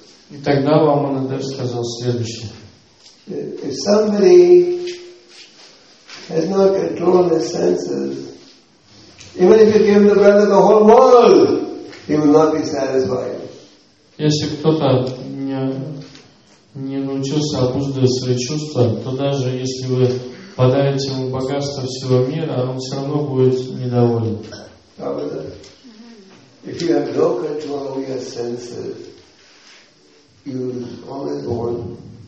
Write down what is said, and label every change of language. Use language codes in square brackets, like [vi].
[ru] И тогда Ламанадев сказал следующее. [en] If somebody has not controlled his senses, even if you give him the breath of the whole world, he will not be satisfied. [ru] Если кто-то не научился обуздывать свои чувства, то даже если вы подарите ему богатство всего мира, он все равно будет недоволен. [en] If you have no control of your senses, you always want.